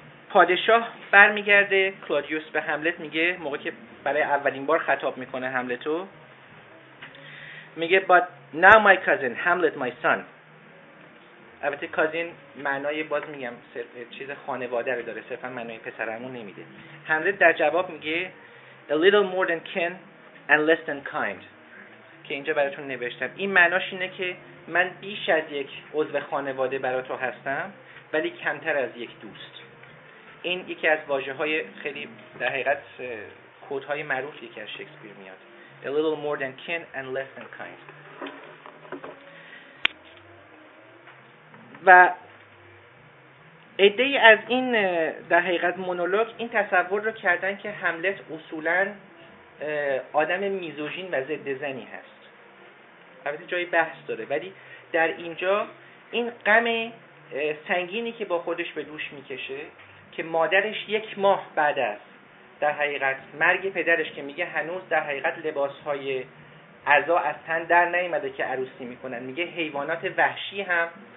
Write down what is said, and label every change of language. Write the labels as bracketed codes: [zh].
[fa] پادشاه برمیگرده، کلادیوس به هملت میگه موقعی که برای اولین بار خطاب میکنه هملتو، میگه [en] but now my cousin Hamlet my son. [fa] البته کازین معنای باز میگم چیز خانواده رو داره، صرفا معنای پسرمون نمیده. هملت در جواب میگه [en] a little more than kin and less than kind، [fa] که اینجا براتون نوشتم. این معناش اینه که من بیش از یک عضو خانواده براتو هستم ولی کمتر از یک دوست. این یکی از واژه‌های خیلی در حقیقت کوت‌های معروف یکی از شکسپیر میاد. [en] A little more than kin and less than kind. [fa] و ایده ای از این در حقیقت مونولوگ این تصور رو کردن که هملت اصولاً آدم میزوژین و ضد زنی هست. البته جای بحث داره، ولی در اینجا این غم سنگینی که با خودش به دوش میکشه که مادرش یک ماه بعد از در حقیقت مرگ پدرش که میگه هنوز در حقیقت لباس‌های عزا از تن در نیامده که عروسی میکنن، میگه حیوانات وحشی هم